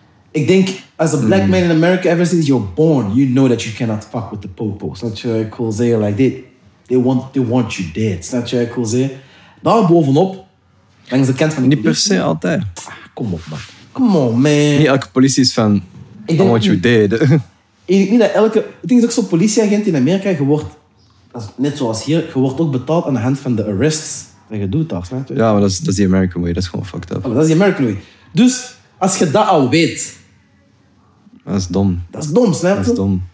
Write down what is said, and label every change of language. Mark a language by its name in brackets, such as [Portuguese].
[Dutch] Ik denk, [English] as a black man in America, ever since you're born, you know that you cannot fuck with the popo. [Dutch] Snap je wat ik wil zeggen? [English] Like, they want you dead. [Dutch] Snap je wat ik wil zeggen? Daar bovenop, langs de kant van de niet politie. Niet per se altijd. Kom op, man. [English] Come on, man. [Dutch] Niet elke politie is van, [English] I want you dead. [Dutch] Ik denk niet dat elke... Het is ook zo'n politieagent in Amerika, je wordt, net zoals hier, je wordt ook betaald aan de hand van de arrests dat je doet daar. Snap je? Ja, maar dat is [English] the American way. [Dutch] Dat is gewoon fucked up. Oh, dat is [English] the American way. [Dutch] Dus... Als je dat al weet... Dat is dom. Dat is dom, snap je? Dat is dom.